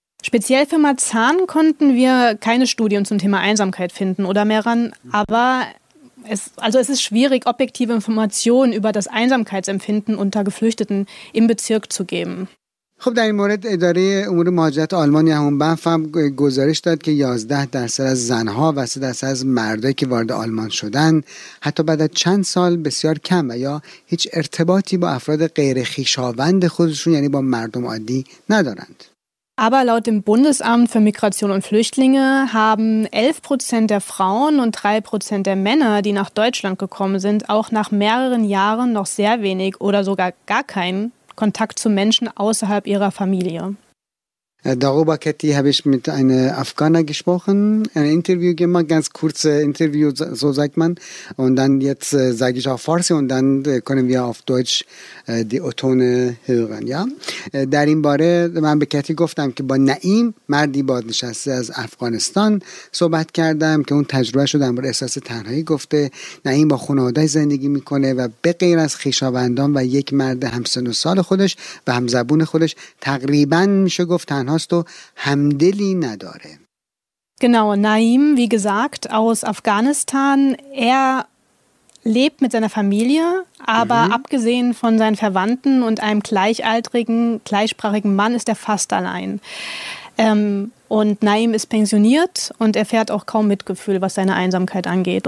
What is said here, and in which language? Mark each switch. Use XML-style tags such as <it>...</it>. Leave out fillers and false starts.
<de>Speziell für Marzahn konnten wir keine Studien zum Thema Einsamkeit finden oder mehreren, aber es ist schwierig, objektive Informationen über das Einsamkeitsempfinden unter Geflüchteten im Bezirk zu geben.</de> <fa>خب در این مورد اداره امور مهاجرت آلمان یا همون بنف هم گزارش داد که 11% از زنها و 3% از مردایی که وارد آلمان شدن حتی بعد از چند سال بسیار کم و یا هیچ ارتباطی با افراد غیر خویشاوند خودشون یعنی با مردم عادی ندارند.</fa> <de>Aber laut dem Bundesamt für Migration und Flüchtlinge haben 11% der Frauen und 3% der Männer, die nach Deutschland gekommen sind, auch nach mehreren Jahren noch sehr wenig oder sogar gar keinen Kontakt zu Menschen außerhalb ihrer Familie. Darüber, Kathy, habe ich mit einer Afghaner gesprochen, ein Interview gemacht, ganz kurze Interview, so sagt man. Und dann jetzt sage ich auf Farsi und dann können wir auf Deutsch die O-Tone hören. Ja?</de> <fa>در این باره من به کتی گفتم که با نعیم مردی بازنشسته از افغانستان صحبت کردم که اون تجربه شده در مورد احساس تنهایی گفته. نعیم با خانواده زندگی میکنه و به غیر از خویشاوندان و یک مرد همسن و سال خودش و همزبون خودش تقریبا میشه گفت تنهاست و همدلی نداره.</fa> <de>Genau, Naim, wie gesagt, aus Afghanistan. Lebt mit seiner Familie, aber abgesehen von seinen Verwandten und einem gleichaltrigen, gleichsprachigen Mann ist er fast allein. Und Naim ist pensioniert und er fährt auch kaum Mitgefühl, was seine Einsamkeit angeht.</de>